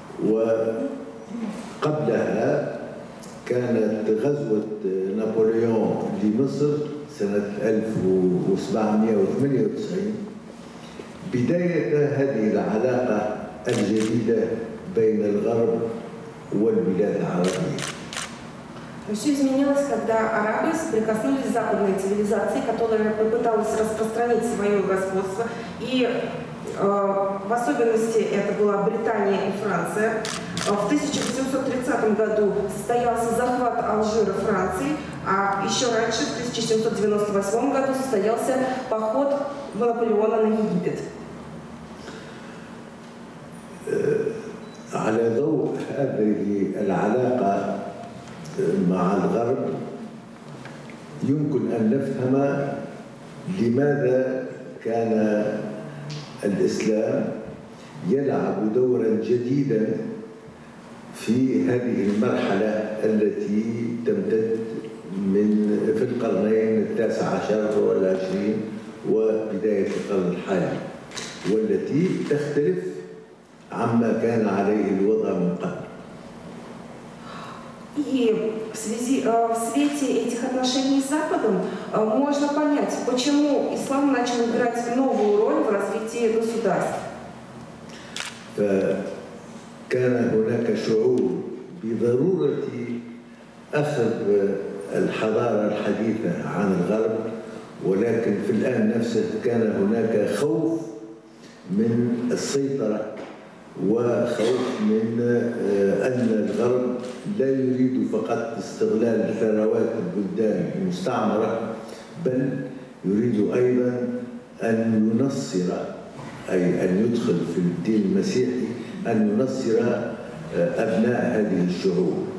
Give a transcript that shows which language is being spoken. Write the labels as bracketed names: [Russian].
[Arabic] وقبلها كانت غزوة نابليون لمصر سنة 1798 بداية هذه العلاقة الجديدة بين الغرب والبلاد العربية. [Russian] Все изменилось, когда арабы соприкоснулись с западной цивилизацией, которая попыталась распространить свое господство. И в особенности это была Британия и Франция. В 1830 году состоялся захват Алжира Франции, а еще раньше, в 1798 году, состоялся поход Наполеона на Египет. [Arabic] مع الغرب يمكن أن نفهم لماذا كان الإسلام يلعب دورا جديدا في هذه المرحلة التي تمتد من في القرنين التاسع عشر والعشرين وبداية القرن الحالي والتي تختلف عما كان عليه الوضع من قبل. [Russian] И в связи в свете этих отношений с Западом можно понять, почему ислам начал играть новую роль в развитии государств. [Arabic] كان هناك شعور بضرورة أخذ الحضارة الحديثة عن الغرب، ولكن في الآن نفسه كان هناك خوف من السيطرة وخوف من أن الغرب لا يريد فقط استغلال ثروات البلدان المستعمرة، بل يريد أيضا أن ينصر، أي أن يدخل في الدين المسيحي، أن ينصر أبناء هذه الشعوب.